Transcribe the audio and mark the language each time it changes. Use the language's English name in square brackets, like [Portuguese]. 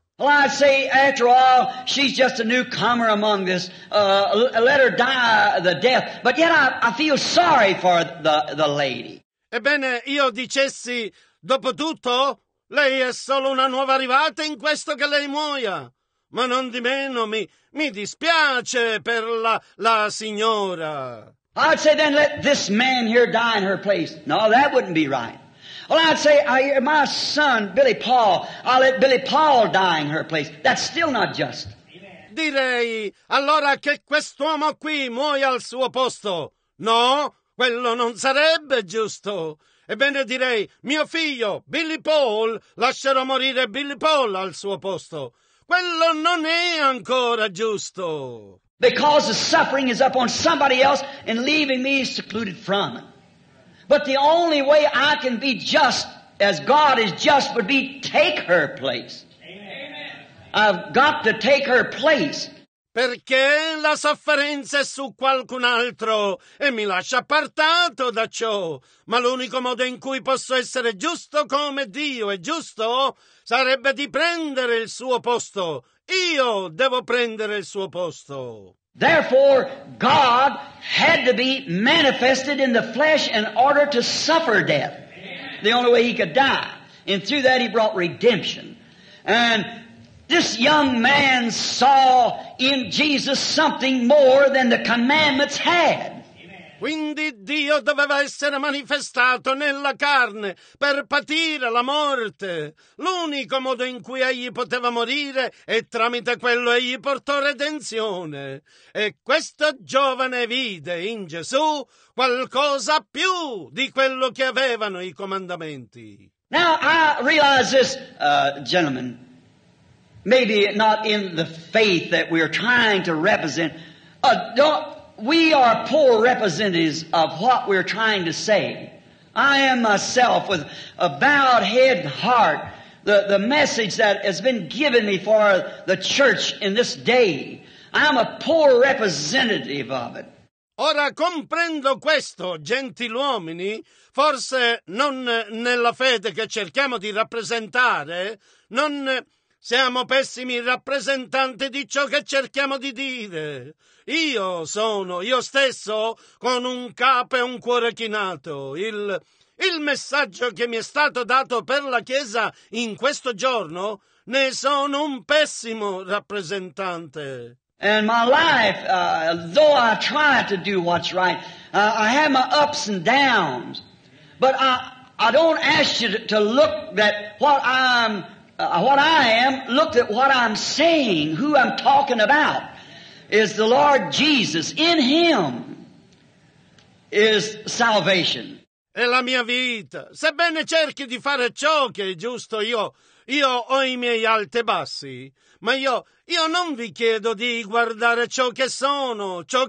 [English] Well, I say, after all, she's just a newcomer among this. Let her die the death. But yet I feel sorry for the lady. [Italian] Ebbene, io dicessi, dopo tutto, lei è solo una nuova arrivata in questo che lei muoia. Ma non di meno mi dispiace per la signora. [English] I'd say then let this man here die in her place. No, that wouldn't be right. Well, I'd say, my son, Billy Paul, I'll let Billy Paul die in her place. That's still not just. Amen. [Italian] Direi, allora che quest'uomo qui muoia al suo posto. No, quello non sarebbe giusto. Ebbene direi, mio figlio, Billy Paul, lascerò morire Billy Paul al suo posto. Quello non è ancora giusto. [English] Because the suffering is upon somebody else and leaving me secluded from it. But the only way I can be just as God is just would be take her place. Amen. I've got to take her place. [Italian] Perché la sofferenza è su qualcun altro e mi lascia appartato da ciò. Ma l'unico modo in cui posso essere giusto come Dio è giusto sarebbe di prendere il suo posto. Io devo prendere il suo posto. [English] Therefore, God had to be manifested in the flesh in order to suffer death. The only way he could die. And through that he brought redemption. And this young man saw in Jesus something more than the commandments had. [Italian] Quindi Dio doveva essere manifestato nella carne per patire la morte. L'unico modo in cui egli poteva morire è tramite quello egli portò redenzione. E questo giovane vide in Gesù qualcosa più di quello che avevano i comandamenti. [English] Now I realize this, gentlemen, maybe not in the faith that we are trying to represent, we are poor representatives of what we're trying to say. I am myself with a bowed head and heart. The message that has been given me for the church in this day, I'm a poor representative of it. [Italian] Ora comprendo questo, gentiluomini, forse non nella fede che cerchiamo di rappresentare, non siamo pessimi rappresentanti di ciò che cerchiamo di dire. Io sono, io stesso, con un capo e un cuore chinato. Il messaggio che mi è stato dato per la Chiesa in questo giorno, ne sono un pessimo rappresentante. [English] And my life, though I try to do what's right, I have my ups and downs. But I don't ask you to look at what I am, look at what I'm saying, who I'm talking about. Is the Lord Jesus. In Him is salvation. [Italian] è la mia vita. Sebbene cerchi di fare ciò che è giusto, io ho i miei alti e bassi, ma io non vi chiedo di guardare ciò che sono.